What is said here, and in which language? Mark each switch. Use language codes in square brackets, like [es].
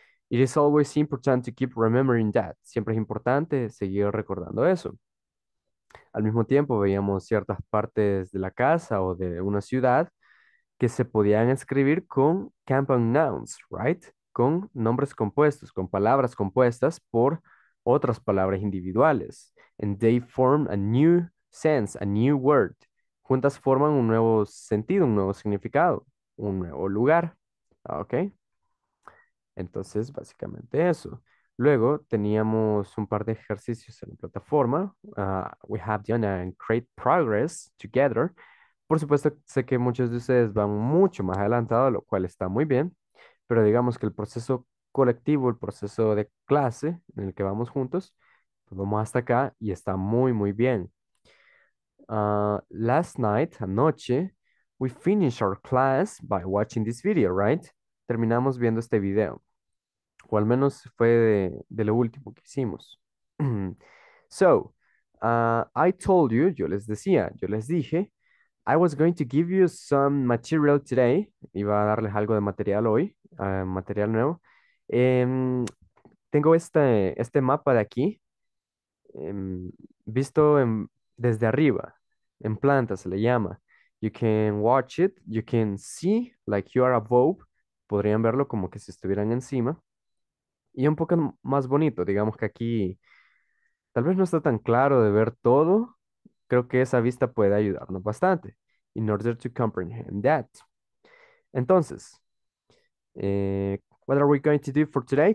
[en] It is always important to keep remembering that. [es] Siempre es importante seguir recordando eso. Al mismo tiempo veíamos ciertas partes de la casa o de una ciudad que se podían escribir con compound nouns, right? Con nombres compuestos, con palabras compuestas por otras palabras individuales. [en] And they form a new sense, a new word. [es] Juntas forman un nuevo sentido, un nuevo significado, un nuevo lugar. ¿Ok? Entonces, básicamente eso. Luego, teníamos un par de ejercicios en la plataforma. We have done a great progress together. Por supuesto, sé que muchos de ustedes van mucho más adelantado, lo cual está muy bien. Pero digamos que el proceso colectivo, el proceso de clase en el que vamos juntos, pues vamos hasta acá y está muy, muy bien. [en] Last night, anoche, we finished our class by watching this video, right? [es] Terminamos viendo este video. O al menos fue de lo último que hicimos. [en] So, I told you, yo les dije, I was going to give you some material today. [es] Iba a darles algo de material hoy, material nuevo. Tengo este mapa de aquí, visto desde arriba, en planta se le llama. [en] You can watch it, you can see like you are above. [es] Podrían verlo como que si estuvieran encima. Y un poco más bonito, digamos que aquí tal vez no está tan claro de ver todo. Creo que esa vista puede ayudarnos bastante. In order to comprehend that. [en] Entonces, what are we going to do for today?